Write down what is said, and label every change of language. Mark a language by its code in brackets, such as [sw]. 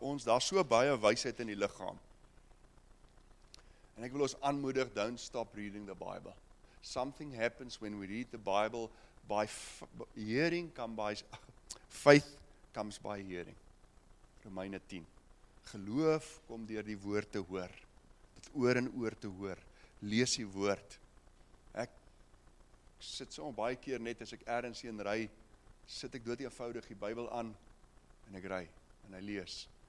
[af] Ons, daar is so baie wysheid in die liggaam. En ek wil ons aanmoedig, [en] don't stop reading the Bible. Something happens when we read the Bible, by hearing comes by, faith comes by hearing. [af] Romeine 10. Geloof kom deur die woord te hoor, oor en oor te hoor, lees die woord. Ek sit so baie keer net, as ek ergens heen ry, sit ek dood eenvoudig die Bybel aan, en ek ry, en ek lees.